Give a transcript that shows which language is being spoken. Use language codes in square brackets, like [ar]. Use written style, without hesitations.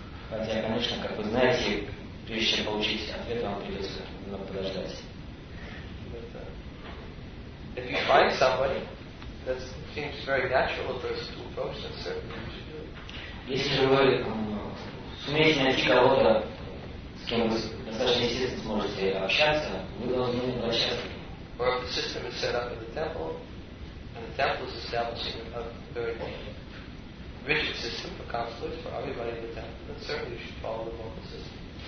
[ru] Хотя, конечно, как вы знаете, прежде чем получить ответ, вам придется немного подождать. [en] If you find somebody that seems very natural for us to approach, then certainly you should do it. [ru] Если же вы сумеете найти кого-то, с кем вы достаточно естественно сможете общаться, вы должны обращаться. [en] Or if the system is set up in the temple, and the temple is establishing a very rigid system for counselors for everybody in the temple, then certainly you should follow the local system.